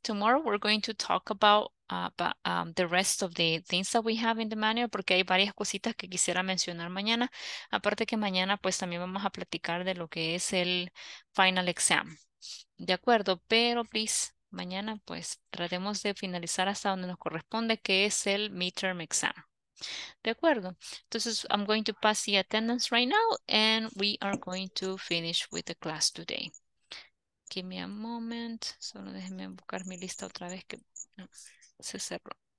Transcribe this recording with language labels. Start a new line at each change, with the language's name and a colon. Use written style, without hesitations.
English: Tomorrow we're going to talk about the rest of the things that we have in the manual,
Spanish: porque hay varias cositas que quisiera mencionar mañana. Aparte que mañana, pues también vamos a platicar de lo que es el final exam. ¿De acuerdo? Pero,
English: please,
Spanish: mañana pues trataremos de finalizar hasta donde nos corresponde, que es el midterm exam. De acuerdo. Entonces,
English: I'm going to pass the attendance right now and we are going to finish with the class today. Give me a moment.
Spanish: Solo déjenme buscar mi lista otra vez que no, se cerró.